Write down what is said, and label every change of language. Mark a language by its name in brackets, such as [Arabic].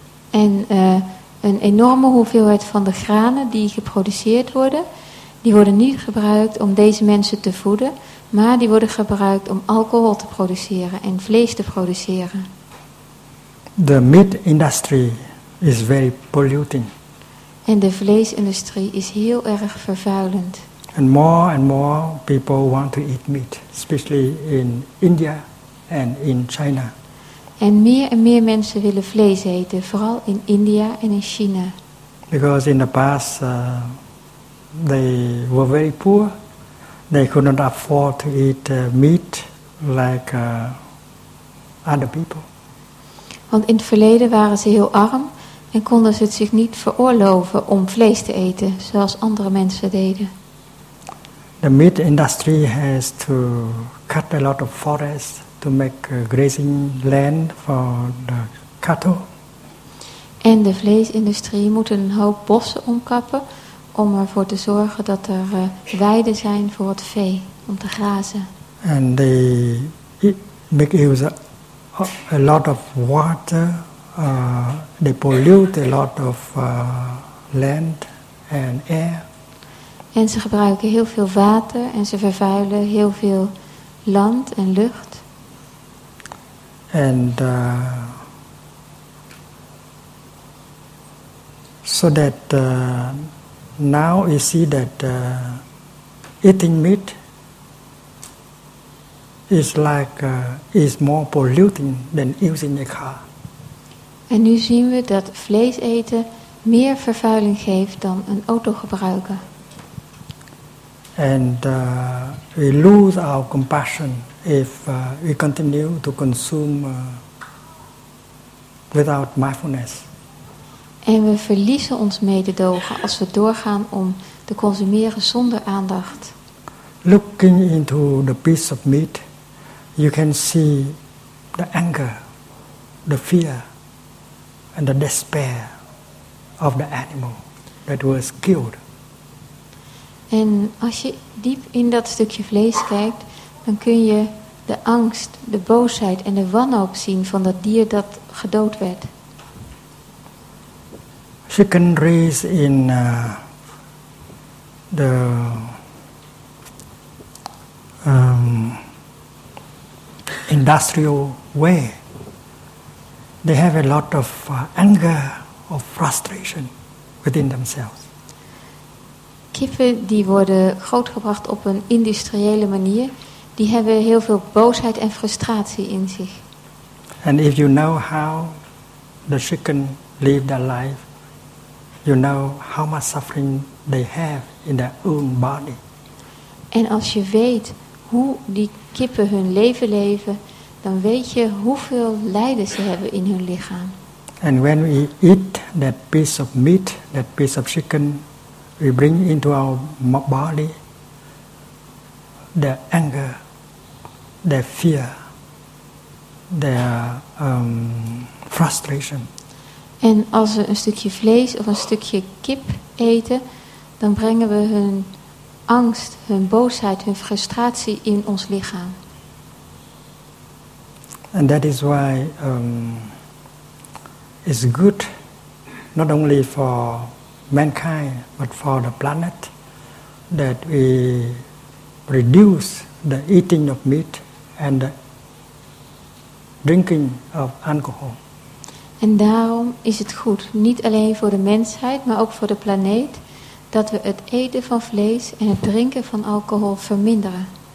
[Dutch] En een enorme hoeveelheid van de granen die geproduceerd worden, die worden niet gebruikt om deze mensen te voeden, maar die worden gebruikt om alcohol te produceren en vlees te produceren. [English] The meat industry is very polluting. [Dutch] En de vleesindustrie is heel erg vervuilend. [English] And more people want to eat meat, especially in India and in China. [Dutch] En meer mensen willen vlees eten, vooral in India en in China. [English] Because in the past they were very poor. They could not afford to eat meat like other people. [Dutch] Want in het verleden waren ze heel arm en konden ze het zich niet veroorloven om vlees te eten zoals andere mensen deden. [English] The meat industry has to cut a lot of forests to make grazing land for the cattle. [Dutch] En de vleesindustrie moet een hoop bossen omkappen om ervoor te zorgen dat er weiden zijn voor het vee om te grazen. [English] And they make use a lot of water, they pollute a lot of land and air. [Dutch] En ze gebruiken heel veel water en ze vervuilen heel veel land en lucht. [English] And so that now we see that eating meat is like is more polluting than using a car. [Dutch] En nu zien we dat vlees eten meer vervuiling geeft dan een auto gebruiken. [English] And we lose our compassion if we continue to consume without mindfulness. [Dutch] En we verliezen ons mededogen als we doorgaan om te consumeren zonder aandacht. [English] Looking into the piece of meat, you can see the anger, the fear, and the despair of the animal that was killed. [Dutch] En als je diep in dat stukje vlees kijkt, dan kun je de angst, de boosheid en de wanhoop zien van dat dier dat gedood werd. [English] Chicken raised in the industrial way, they have a lot of anger or frustration within themselves. [Dutch] Kippen die worden grootgebracht op een industriële manier, die hebben heel veel boosheid en frustratie in zich. [English] And if you know how the chicken live their life, you know how much suffering they have in their own body. [Dutch] En als je weet hoe die kippen hun leven leven, dan weet je hoeveel lijden ze hebben in hun lichaam. [English] And when we eat that piece of meat, that piece of chicken, we bring into our body the anger, the fear, the frustration. [Dutch] En als we een stukje vlees of een stukje kip eten, dan brengen we hun angst, hun boosheid, hun frustratie in ons lichaam. [English] And that is why it's good, not only for mankind, but for the planet, that we reduce the eating of meat and the drinking of alcohol. [Dutch] En daarom is het goed, niet alleen voor de mensheid, maar ook voor de planeet, dat we het eten van vlees en het drinken van alcohol verminderen.